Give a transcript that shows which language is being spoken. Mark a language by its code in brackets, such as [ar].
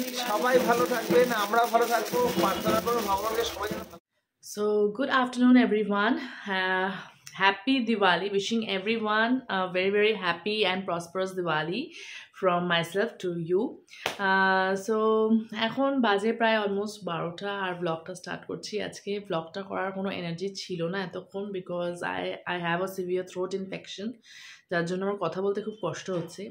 [bn] সবাই ভালো থাকবেন, আমরা ভালো থাকবো, প্রার্থনা করবো ভগবানকে সবাই যেন ভালো। [en] So, good afternoon, everyone. Happy Diwali. Wishing everyone a very, very happy and prosperous Diwali from myself to you. [bn] So, এখন বাজে প্রায় অলমোস্ট 12টা আর ব্লগটা স্টার্ট করছি। আজকে ব্লগটা করার কোনো এনার্জি ছিল না এতক্ষণ, [en] because I have a severe throat infection, [bn] যার জন্য আমার কথা বলতে খুব কষ্ট হচ্ছে।